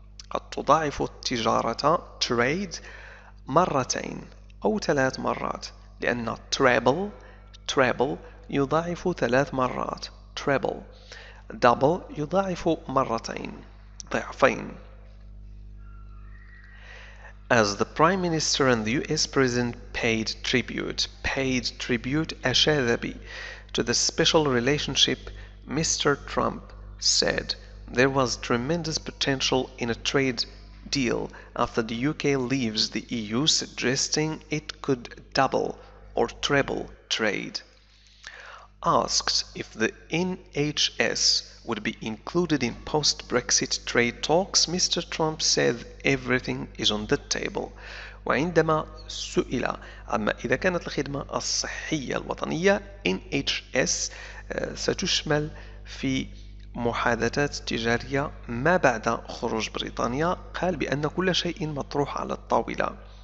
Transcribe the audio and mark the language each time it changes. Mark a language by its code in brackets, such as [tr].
[ar] قد تضاعف التجارة trade مرتين أو ثلاث مرات، لأن treble يضاعف ثلاث مرات، [en] treble double [ar] يضاعف مرتين ضعفين. [en] As the Prime Minister and the US President paid tribute أشاذبي to the special relationship, Mr. Trump said there was tremendous potential in a trade deal after the UK leaves the EU, suggesting it could double or treble trade. Asked if the NHS would be included in post-Brexit trade talks, Mr. Trump said everything is on the table. [ar] وعندما سئل عما إذا كانت الخدمة الصحية الوطنية NHS ستشمل في محادثات تجارية ما بعد خروج بريطانيا، قال بأن كل شيء مطروح على الطاولة.